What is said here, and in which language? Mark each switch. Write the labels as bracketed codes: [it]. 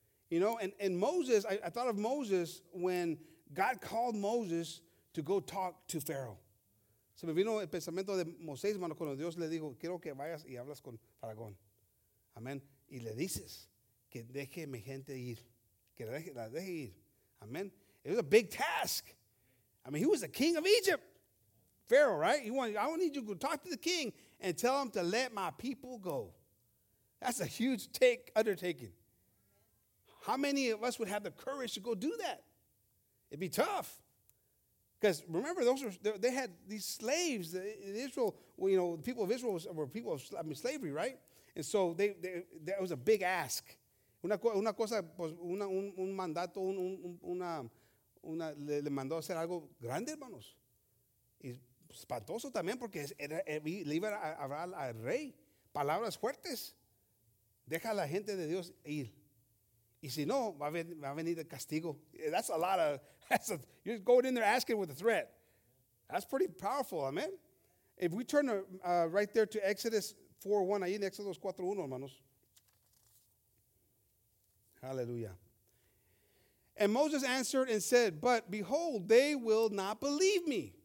[en] You know, and Moses, I thought of Moses when God called Moses to go talk to Pharaoh. [es] Se me vino el pensamiento de Moisés, hermano, cuando Dios le dijo, quiero que vayas y hablas con Faraón. Amén. Y le dices que deje mi gente ir. Que la deje ir. Amén. [en] It was a big task. I mean, he was the king of Egypt. Pharaoh, right? I want you to go talk to the king and tell him to let my people go. That's a huge undertaking. How many of us would have the courage to go do that? It'd be tough. Because remember, they had these slaves. In Israel, you know, the people of Israel were people of slavery, right? And so they that was a big ask. [es] Una cosa, pues, un mandato, una le mandó hacer algo grande, hermanos. Y espantoso también, porque le iba a hablar al rey. Palabras fuertes. Deja a la gente de Dios ir. Y si no, va a venir el castigo. [en] That's a lot of, you're going in there asking with a threat. That's pretty powerful, amen. If we turn right there to Exodus 4:1, [es] ahí en Exodus 4:1, hermanos. [en] Hallelujah. And Moses answered and said, but behold, they will not believe me.